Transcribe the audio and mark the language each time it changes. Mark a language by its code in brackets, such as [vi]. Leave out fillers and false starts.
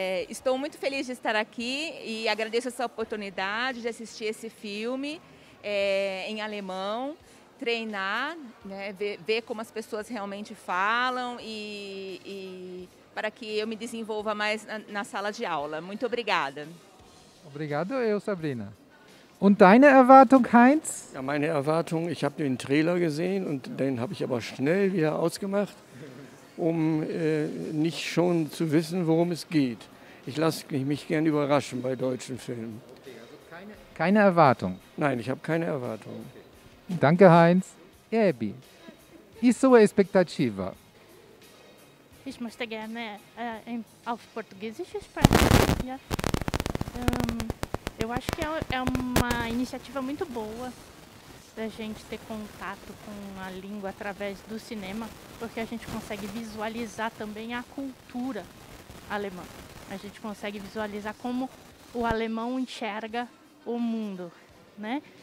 [pt] Estou muito feliz de estar aqui e agradeço essa oportunidade de assistir esse filme em alemão. Treinar, né, ver como as pessoas realmente falam e para que eu me desenvolva mais na sala de aula. Muito obrigada. Obrigado eu, Sabrina. [de] Und deine Erwartung, Heinz? Ja, meine Erwartung, ich habe den Trailer gesehen und den habe ich aber schnell wieder ausgemacht, um nicht schon zu wissen, worum es geht. Ich lasse mich gern überraschen bei deutschen Filmen. Okay, also keine Erwartung? Nein, ich habe keine Erwartung. Danke, Heinz. [pt] Abby, e sua expectativa? [de] Ich möchte gerne auf Portugiesisch sprechen. Ja. [pt] Eu acho que é uma iniciativa muito boa da gente ter contato com a língua através do cinema, porque a gente consegue visualizar também a cultura alemã. A gente consegue visualizar como o alemão enxerga o mundo, né?